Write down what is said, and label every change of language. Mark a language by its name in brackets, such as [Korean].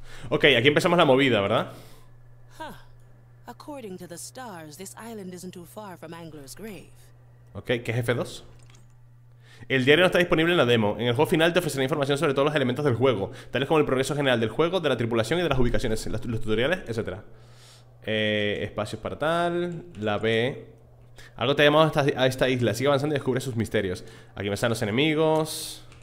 [Spanish] Ok, aquí empezamos la movida, ¿verdad? [English] According to the stars, this island isn't too far from Angler's grave. [Spanish] Ok, ¿qué es F2? El diario no está disponible en la demo. En el juego final te ofrecerá información sobre todos los elementos del juego, tales como el progreso general del juego, de la tripulación y de las ubicaciones, los tutoriales, etc. Espacios para tal. La B. Algo te ha llamado a esta isla. Sigue avanzando y descubre sus misterios. Aquí me están los enemigos.